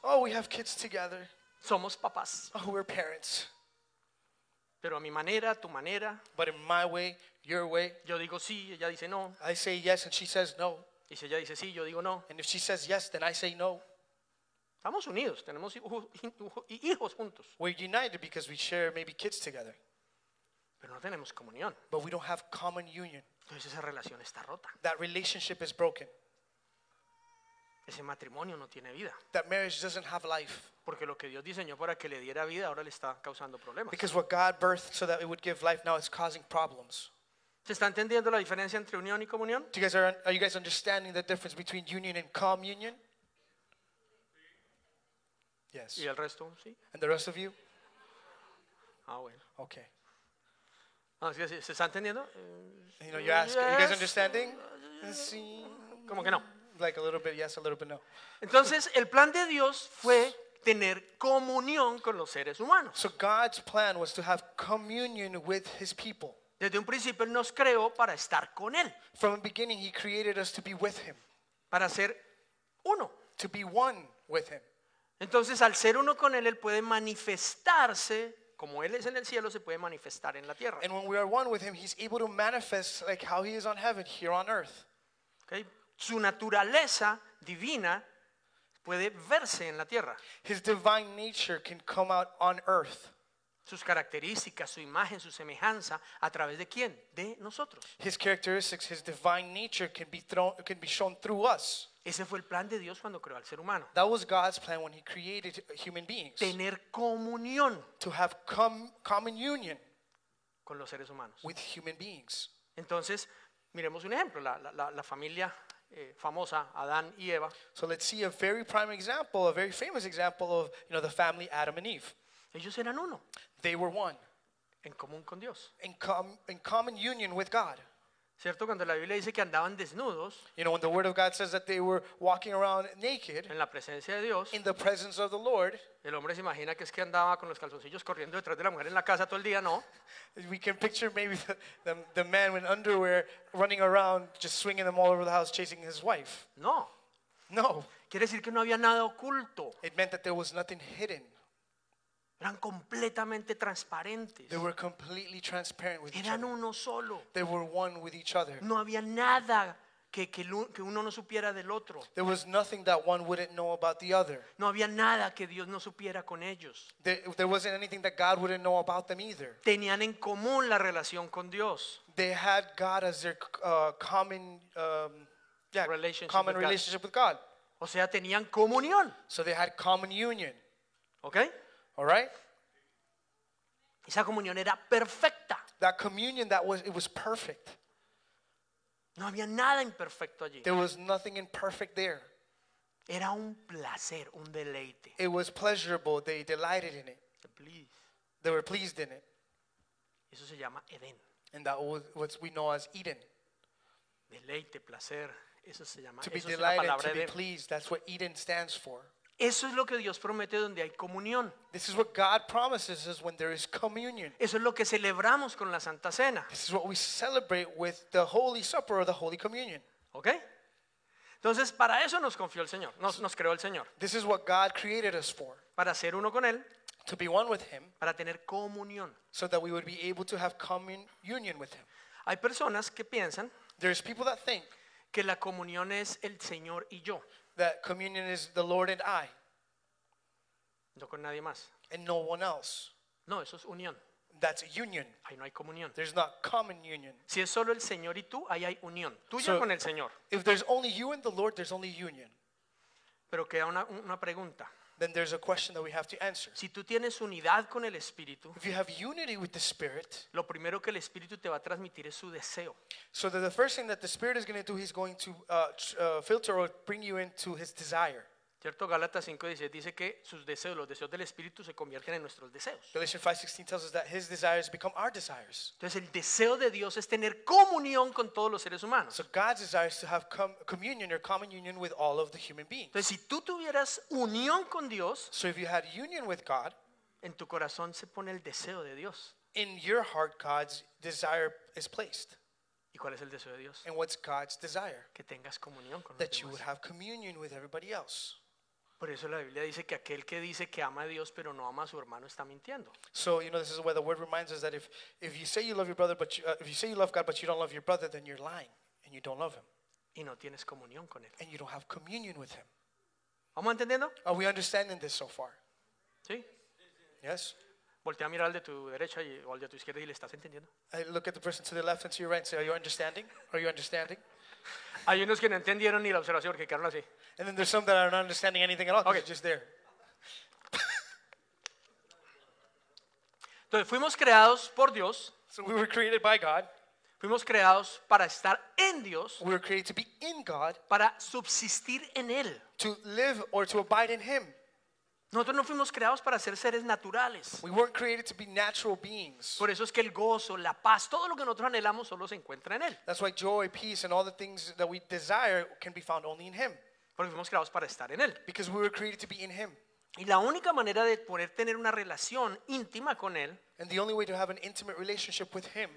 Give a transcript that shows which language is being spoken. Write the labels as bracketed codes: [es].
[en] Oh, we have kids together. [es] Somos papás. [en] Oh, we're parents. [es] Pero a mi manera, tu manera. [en] But in my way, your way. [es] Yo digo sí, ella dice no. [en] I say yes and she says no. [es] Y si ella dice sí, yo digo no. [en] And if she says yes, then I say no. [es] Estamos unidos, tenemos hijos juntos. [en] We're united because we share maybe kids together. [es] Pero no tenemos comunión. [en] But we don't have common union. [es] Entonces esa relación está rota. [en] That relationship is broken. [es] Ese matrimonio no tiene vida. [en] That marriage doesn't have life. [es] Porque lo que Dios diseñó para que le diera vida ahora le está causando problemas. [en] Because what God birthed so that it would give life now is causing problems. [es] ¿Se está entendiendo la diferencia entre unión y comunión? [en] Are you guys understanding the difference between union and communion? Yes. [es] ¿Y el resto? Sí. [en] And the rest of you? [es] Ah, bueno. [en] Okay. [es] ¿Se está entendiendo? [en] You know, you ask, yes. Are you guys understanding? [es] Sí. ¿Cómo que no? [en] Like a little bit yes, a little bit no. [es] Entonces, el plan de Dios fue tener comunión con los seres humanos. [en] So God's plan was to have communion with his people. [es] Desde un principio nos creó para estar con él. [en] From the beginning he created us to be with him. [es] Para ser uno. [en] To be one with him. [es] Entonces, al ser uno con él, él puede manifestarse como él es en el cielo, se puede manifestar en la tierra. [en] And when we are one with him, he's able to manifest like how he is on heaven here on earth. Okay. [es] Su naturaleza divina puede verse en la tierra. [en] His divine nature can come out on earth. [es] Sus características, su imagen, su semejanza, ¿a través de quién? De nosotros. [en] His characteristics, his divine nature can be shown through us. [es] Ese fue el plan de Dios cuando creó al ser humano. [en] That was God's plan when he created human beings. [es] Tener comunión. [en] To have common union. [es] Con los seres humanos. [en] With human beings. [es] Entonces, miremos un ejemplo. La familia famosa, Adán y Eva. [en] So let's see a very prime example, a very famous example of, you know, the family Adam and Eve. [es] Ellos eran uno. [en] They were one. [es] En común con Dios. [en] In common union with God. [es] Cierto, cuando la Biblia dice que andaban desnudos. [en] You know, when the word of God says that they were walking around naked. [es] En la presencia de Dios. [en] In the presence of the Lord. [es] El hombre se imagina que es que andaba con los calzoncillos corriendo detrás de la mujer en la casa todo el día, ¿no? [en] We can picture maybe the man with underwear running around, just swinging them all over the house, chasing his wife. [es] No. [en] No. [es] Quiere decir que no había nada oculto. [en] It meant that there was nothing hidden. [es] Eran completamente transparentes. [en] They were completely transparent with [es] eran [en] each other. [es] Eran uno solo. [en] They were one with each other. [es] No había nada que uno no supiera del otro. [en] There was nothing that one wouldn't know about the other. [es] No había nada que Dios no supiera con ellos. [en] There wasn't anything that God wouldn't know about them either. [es] Tenían en común la relación con Dios. [en] They had God as their common relationship, common with, relationship God. With God. [es] O sea, tenían comunión. [en] So they had common union. [es] ¿Okay? [en] All right. [es] Esa comunión era perfecta. [en] That communion that was it was perfect. [es] No había nada imperfecto allí. [en] There was nothing imperfect there. [es] Era un placer, un deleite. [en] It was pleasurable. They delighted in it. They were pleased in it. [es] Eso se llama Edén. [en] And that was what we know as Eden. [es] Deleite, placer. Eso se llama. [en] To [es] eso [en] be delighted, to [es] Edén. [en] Be pleased. That's what Eden stands for. [es] Eso es lo que Dios promete donde hay comunión. [en] This is what God promises us when there is communion. [es] Eso es lo que celebramos con la Santa Cena. [en] This is what we celebrate with the Holy Supper or the Holy Communion. [es] ¿Okay? Entonces, para eso nos confió el Señor. Nos creó el Señor. [en] This is what God created us for. [es] Para ser uno con él. [en] To be one with him. [es] Para tener comunión. [en] So that we would be able to have communion with him. [es] Hay personas que piensan. [en] There's people that think. [es] Que la comunión es el Señor y yo. [en] That communion is the Lord and I. [es] No con nadie más. [en] And no one else. [es] No, eso es unión. [en] That's union. [es] Ahí no hay comunión. [en] There's not common union. [es] Si es solo el Señor y tú, ahí hay unión. Tuya con el Señor. [en] If there's only you and the Lord, there's only union. [es] Pero queda una pregunta. [en] Then there's a question that we have to answer. [es] Si tú tienes unidad con el Espíritu, [en] if you have unity with the Spirit, [es] lo primero que el Espíritu te va a transmitir es su deseo. [en] So that the first thing that the Spirit is going to do, he's going to filter or bring you into his desire. [es] ¿Cierto? Gálatas 5:16 dice que sus deseos, los deseos del Espíritu se convierten en nuestros deseos. [en] Galatians 5:16 tells us that his desires become our desires. [es] Entonces el deseo de Dios es tener comunión con todos los seres humanos. [en] So God's desire is to have communion or common union with all of the human beings. [es] Entonces si tú tuvieras unión con Dios, [en] so if you had union with God, [es] en tu corazón se pone el deseo de Dios. [en] In your heart God's desire is placed. [es] ¿Y cuál es el deseo de Dios? [en] And what's God's desire? [es] Que tengas comunión con [en] that you would have communion with everybody else. [es] Por eso la Biblia dice que aquel que dice que ama a Dios pero no ama a su hermano está mintiendo. [en] So, you know, this is where the word reminds us that if you say you love your brother but if you say you love God but you don't love your brother, then you're lying and you don't love him. [es] Y no tienes comunión con él. [en] And you don't have communion with him. [es] ¿Vamos entendiendo? [en] Are we understanding this so far? [es] Sí. [en] Yes. [es] Voltea a mirar al de tu derecha y al de tu izquierda y le estás entendiendo. [en] I look at the person to the left and to your right and say, are you understanding? Are you understanding? [es] Hay unos que no entendieron ni la observación que quedaron así. [en] And then there's some that are not understanding anything at all. Okay, just there. [es] Entonces fuimos creados por Dios. [en] So we were created by God. [es] Fuimos creados para estar en Dios. [en] We were created to be in God. [es] Para subsistir en él. [en] To live or to abide in him. [es] Nosotros no fuimos creados para ser seres naturales. [en] We weren't created to be natural beings. [es] Por eso es que el gozo, la paz, todo lo que nosotros anhelamos solo se encuentra en él. [en] That's why joy, peace, and all the things that we desire can be found only in him. [es] Porque fuimos creados para estar en él. [en] Because we were created to be in him. [es] Y la única manera de poder tener una relación íntima con él. [en] And the only way to have an intimate relationship with him.